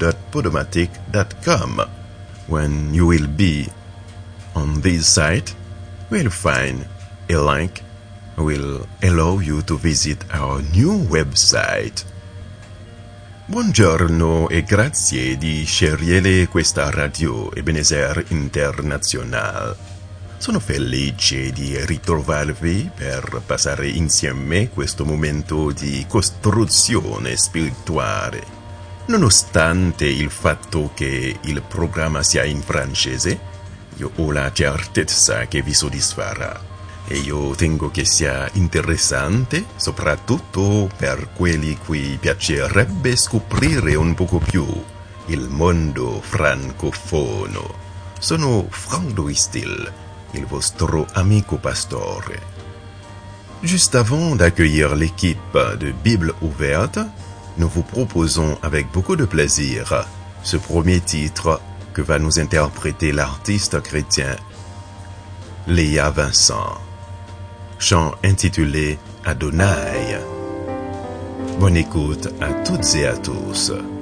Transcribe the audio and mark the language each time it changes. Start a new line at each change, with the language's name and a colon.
English: www.frankradio.podomatic.com. When you will be on this site, we'll find a link will allow you to visit our new website.
Italian: Buongiorno e grazie di scegliere questa radio Ebenezer International. Sono felice di ritrovarvi per passare insieme questo momento di costruzione spirituale. Nonostante il fatto che il programma sia in francese, io ho la certezza che vi soddisfarà. E io tengo che sia interessante, soprattutto per quelli cui piacerebbe scoprire un poco più il mondo francofono. Sono Frank Louis Steele, il vostro amico pastore.
French: Juste avant d'accueillir l'équipe de Bible ouverte, nous vous proposons avec beaucoup de plaisir ce premier titre que va nous interpréter l'artiste chrétien Léa Vincent. Chant intitulé Adonai. Bonne écoute à toutes et à tous.